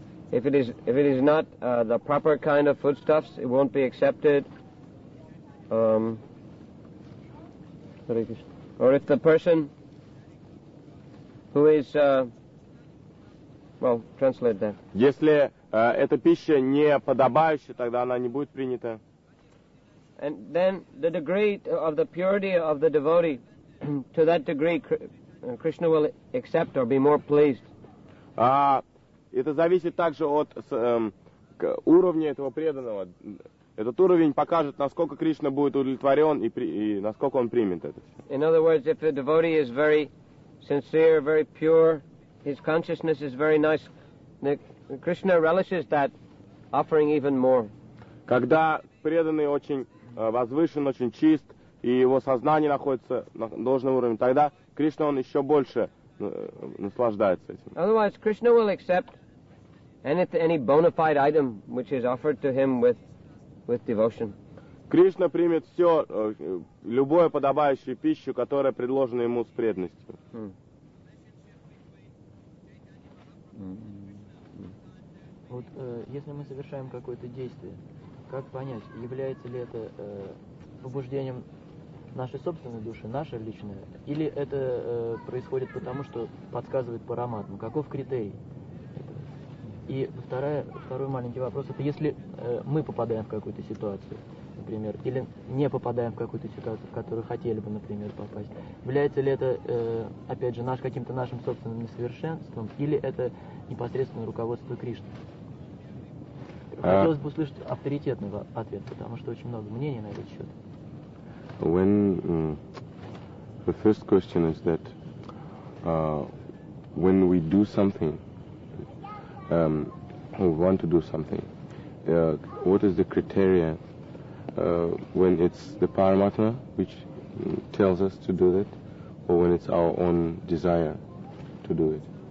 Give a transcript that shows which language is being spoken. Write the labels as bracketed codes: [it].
[en] If it is not the proper kind of foodstuffs, it won't be accepted. Or if the person who is translate that. [ru] Если эта пища не подобающая, тогда она не будет принята. [en] And then the degree of the purity of the devotee, to that degree Krishna will accept or be more pleased. [ru] Это зависит также от уровня этого преданного. Этот уровень покажет, насколько Кришна будет удовлетворен и насколько он примет это. [en] In other words, if the devotee is very sincere, very pure, his consciousness is very nice, Krishna relishes that offering even more. [ru] Когда преданный очень возвышен, очень чист, и его сознание находится на должном уровне, тогда Кришна, он еще больше наслаждается этим. [en] Otherwise, Krishna will accept any bona fide item which is offered to him with devotion. [ru] Кришна примет все, любое подобающую пищу, которая предложена ему с преданностью. Вот если мы совершаем какое-то действие, как понять, является ли это побуждением нашей собственной души, наше личное, или это происходит потому, что подсказывает параматма? Каков критерий? И второй маленький вопрос, это если мы попадаем в какую-то ситуацию, например, или не попадаем в какую-то ситуацию, в которую хотели бы, например, попасть, является ли это, опять же, каким-то нашим собственным несовершенством, или это непосредственно руководство Кришны? Хотелось бы услышать авторитетный ответ, потому что очень много мнений на этот счет. [en] When the first question is that when we do something, we want to do something, what is the criteria when it's the Paramatma which tells us to do that, or when it's our own desire to do it?